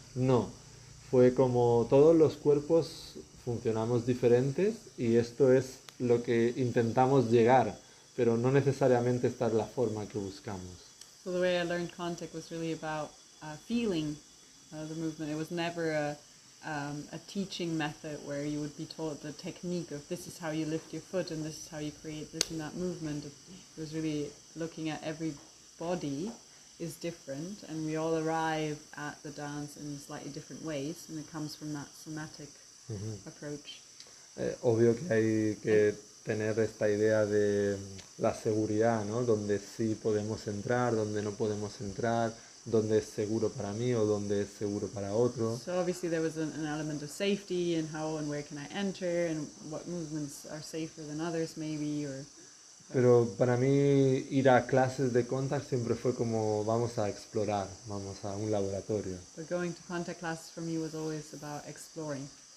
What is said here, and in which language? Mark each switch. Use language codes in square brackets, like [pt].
[es] No, fue como todos los cuerpos funcionamos diferentes y esto es lo que intentamos llegar, pero no necesariamente esta es la forma que buscamos. [en] So the way I learned contact was really about feeling the movement. It was never a a teaching method where you would be taught the technique of this is how you lift your foot and this is how you create this and that movement. It was really looking at every body is different and we all arrive at the dance in slightly different ways, and it comes from that somatic approach. [es] Obvio que hay que tener esta idea de la seguridad, ¿no? Donde sí podemos entrar, donde no podemos entrar, donde es seguro para mí o donde es seguro para otro. [en] So obviously there was an element of safety and how and where can I enter and what movements are safer than others maybe or... [es] Pero para mí ir a clases de contact siempre fue como vamos a explorar, vamos a un laboratorio. [en] But going to contact classes for me was always about exploring.